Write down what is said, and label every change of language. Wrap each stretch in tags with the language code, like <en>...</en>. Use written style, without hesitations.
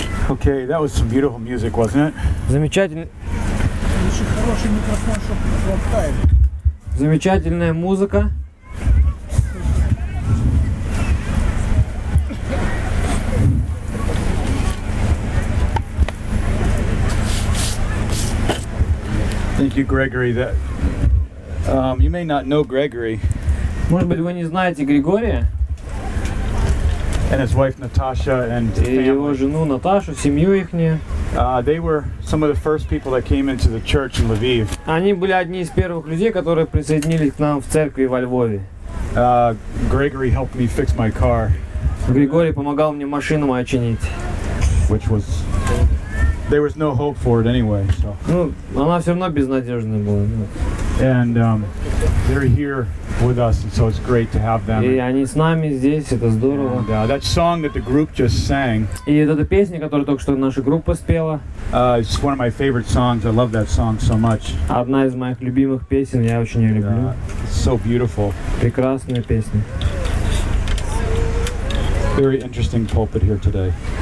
<en>Okay, that was some beautiful music, wasn't it?</en> <ru>Замечательно. Очень хороший микрофон, чтобы хватает. Замечательная музыка.</ru> <en>Thank you, Gregory. That you may not know Gregory.</en> <ru>Может быть, вы не знаете Григория?</ru> <en>And his wife Natasha and</en> <ru>его жену Наташу, семью ихнюю.</ru> <en>They were some of the first people that came into the church in Lviv.</en> <ru>Они были одни из первых людей, которые присоединились к нам в церкви во Львове.</ru> <en>Gregory helped me fix my car.</en> <ru>Григорий помогал мне машину мою чинить.</ru> <en>Which was there was no hope for it anyway, so.</en> <ru>Ну, она все равно безнадежная была.</ru> <en>And they're here with us, and so it's great to have them.</en> <ru>И они с нами здесь, это здорово.</ru> <en>And, that song that the group just sang.</en> <ru>И эта песня, которую только что наша группа спела.</ru> <en>It's one of my favorite songs. I love that song so much.</en> <ru>Одна из моих любимых песен, я очень ее люблю.</ru> <en>So beautiful.</en> <ru>Прекрасная песня.</ru> <en>Very interesting pulpit here today.</en>